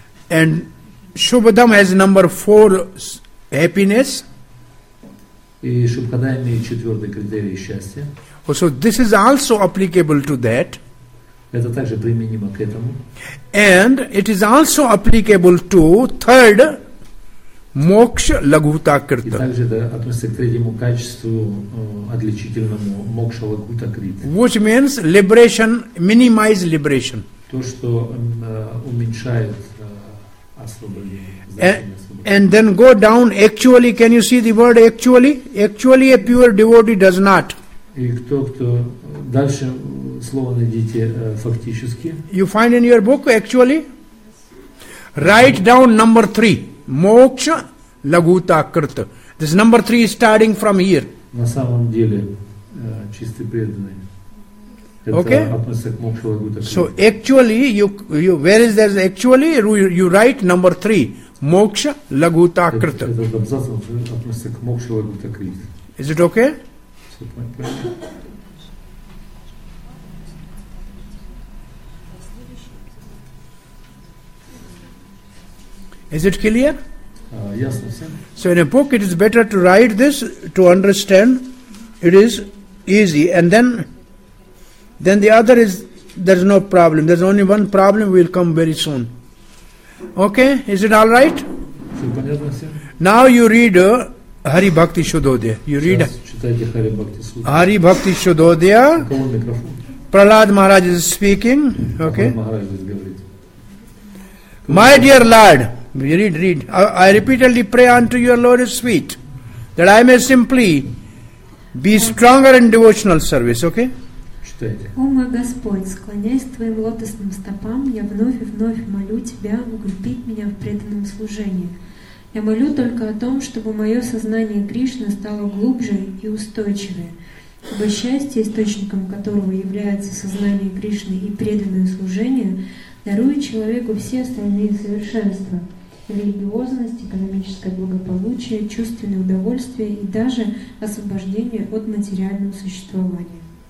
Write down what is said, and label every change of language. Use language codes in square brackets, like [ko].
[en] And Shubhadam has number 4, happiness. [ru] И Shubhadam имеет четвертый критерий счастья. [en] Oh, so this is also applicable to that. [ru] Это также применимо к этому. [en] And it is also applicable to third moksha laguta krita. [ru] И также это относится к третьему качеству отличительному moksha laguta krita. [en] Which means liberation, minimize liberation. [ru] То, что уменьшает освобождение. [en] And then go down actually, can you see the word actually? Actually a pure devotee does not. [ru] И кто дальше слово найдите фактически. [en] You find in your book actually? Write down number 3. Moksha laguta krita. This number 3 is starting from here. [ru] На самом деле чистый преданный. [en] Okay. So actually you where is there actually you write number 3. Moksha laguta krita. Is it okay? Is it clear? Yes, sir. So in a book it is better to write this to understand it is easy. And then the other is, there's no problem. There's only one problem, will come very soon. Okay, is it all right? Now you read Hari Bhakti Shodhodaya. You read Hari Bhakti Shodhodaya. Prahlad Maharaj is speaking. Okay. My dear Lord, read. I repeatedly pray unto your lotus feet that I may simply be stronger in devotional service. Okay? [ru] О мой Господь, склоняясь к Твоим лотосным стопам, я вновь и вновь молю Тебя укрепить меня в преданном служении. Я молю только о том, чтобы мое сознание Кришны стало глубже и устойчивее, ибо счастье, источником которого является сознание Кришны и преданное служение, дарует человеку все остальные совершенства – религиозность, экономическое благополучие, чувственное удовольствие и даже освобождение от материального существования.